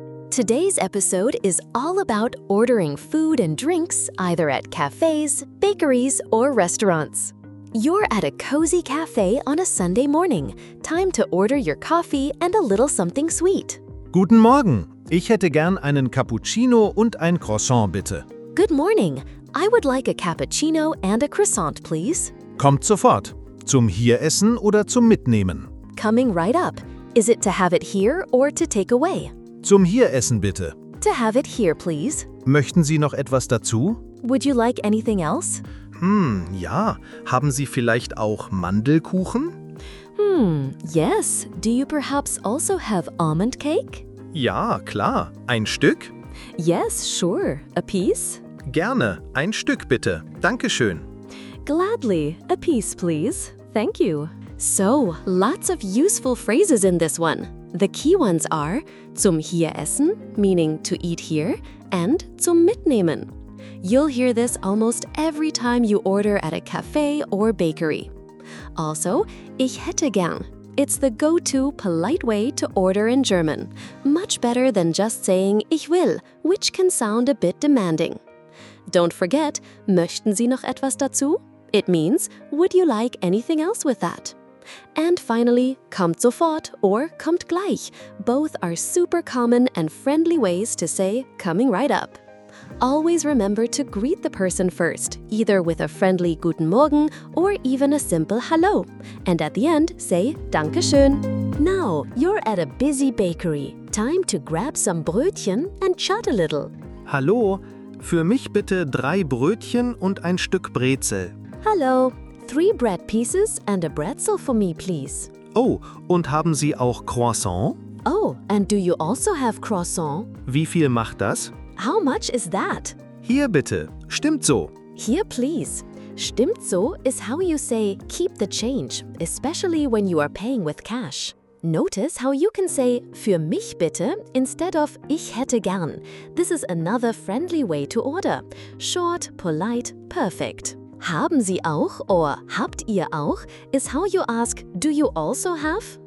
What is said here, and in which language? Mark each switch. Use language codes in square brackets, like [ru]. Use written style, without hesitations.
[en] Today's episode is all about ordering food and drinks either at cafes, bakeries, or restaurants. You're at a cozy cafe on a Sunday morning. Time to order your coffee and a little something sweet. [de] Guten Morgen. Ich hätte gern einen Cappuccino und ein Croissant, bitte. [en] Good morning. I would like a cappuccino and a croissant, please. [de] Kommt sofort. Zum Hieressen oder zum Mitnehmen? [en] Coming right up. Is it to have it here or to take away? [de] Zum Hieressen, bitte. [en] To have it here, please. [de] Möchten Sie noch etwas dazu? [en] Would you like anything else? [de] Ja. Haben Sie vielleicht auch Mandelkuchen? [en] Yes. Do you perhaps also have almond cake? [de] Ja, klar. Ein Stück? [en] Yes, sure. A piece? [de] Gerne. Ein Stück, bitte. Dankeschön. [en] Gladly. A piece, please. Thank you. So, lots of useful phrases in this one. The key ones are [de] zum Hieressen, [en] meaning to eat here, and [de] zum Mitnehmen. [en] You'll hear this almost every time you order at a cafe or bakery. Also, [de] ich hätte gern. [en] It's the go-to polite way to order in German. Much better than just saying [de] ich will, [en] which can sound a bit demanding. Don't forget, [de] möchten Sie noch etwas dazu? [en] It means, would you like anything else with that? And finally, [de] kommt sofort [en] or [de] kommt gleich. [en] Both are super common and friendly ways to say coming right up. Always remember to greet the person first, either with a friendly [de] Guten Morgen [en] or even a simple Hallo. And at the end, say Dankeschön. Now, you're at a busy bakery. Time to grab some Brötchen and chat a little. [de] Hallo, für mich bitte drei Brötchen und ein Stück Brezel. [en] Hallo, three bread pieces and a Brezel for me, please. [de] Oh, und haben Sie auch Croissant? [en] Oh, and do you also have Croissant? [de] Wie viel macht das? [en] How much is that? [de] Hier bitte. Stimmt so. [en] Here please. [de] Stimmt so [en] is how you say keep the change, especially when you are paying with cash. Notice how you can say [de] für mich bitte [en] instead of [de] ich hätte gern. [en] This is another friendly way to order. Short, polite, perfect. [de] Haben Sie auch [en] or [de] habt ihr auch [en] is how you ask do you also have?